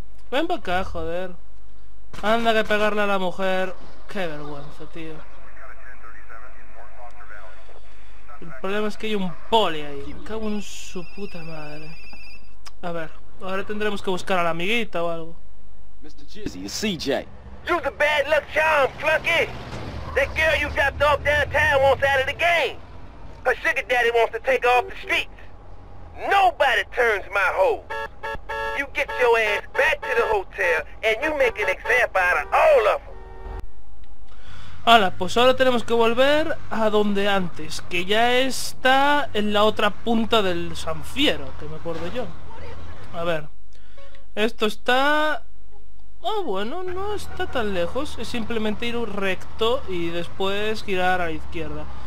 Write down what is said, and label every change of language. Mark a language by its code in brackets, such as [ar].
[es] Ven para acá, joder. Anda que pegarle a la mujer. Qué vergüenza, tío. El problema es que hay un poli ahí. Me cago en su puta madre. A ver, ahora tendremos que buscar a la amiguita o algo. Mr. Jizzy, es CJ. [en] You's a bad luck charm, Flunky! That girl you dropped off downtown wants out of the game! Her sugar daddy wants to take her off the streets! Nobody turns my hoe! You get your ass back to the hotel, and you make an example out of all of them! [es] Hala, pues ahora tenemos que volver a donde antes, que ya está en la otra punta del San Fierro, que me acuerdo yo. A ver, esto está... Oh, bueno, no está tan lejos, es simplemente ir recto y después girar a la izquierda.